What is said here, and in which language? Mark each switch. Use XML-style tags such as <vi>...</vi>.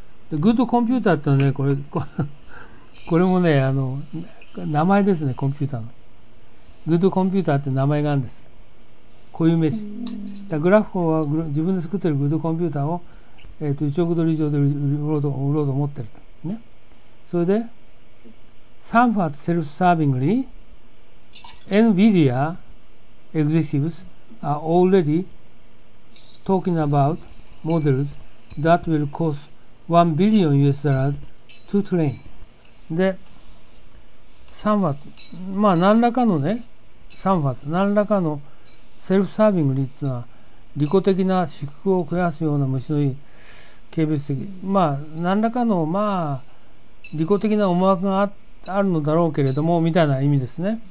<ja>で、good computer ってのはね、これもね、あの、名前ですね、コンピューターの。 good computer って名前があるんです。固有名詞。グラフコは自分で作っているグッドコンピューターを、1億ドル以上で売ろうと思っていると、ね。それで、</ja> <en>Some part self-servingly, NVIDIA executives are already talking about models that will cost $1 billion US dollars to train.</en> <ja>で、</ja> <en>Some part、</en> <ja>まあ何らかのね、Some part、何らかのセルフサービングリーっていうのは、利己的な私腹を肥やすような虫のいい軽蔑的、まあ何らかの、まあ利己的な思惑が あるのだろうけれどもみたいな意味ですね。</ja>